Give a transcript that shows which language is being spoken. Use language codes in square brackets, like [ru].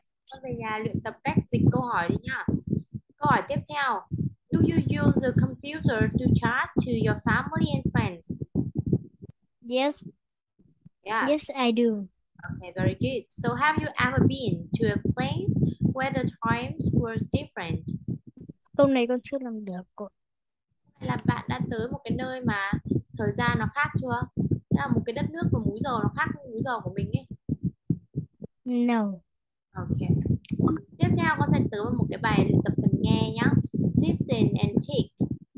[vi] con về nhà luyện tập cách dịch câu hỏi đi nha. Câu hỏi tiếp theo. [en] Do you use the computer to chat to your family and Yes, Yes. I do. Okay, very good. So have you ever been to a place where the times were different? [vi] Câu này con chưa làm được cô. Hay là bạn đã tới một cái nơi mà thời gian nó khác chưa? Thế là một cái đất nước và múi giờ nó khác với múi giờ của mình [en] No. [vi] ấy. Ok. Tiếp theo con sẽ tới một cái bài luyện tập phần nghe nhá. [en] Listen and tick.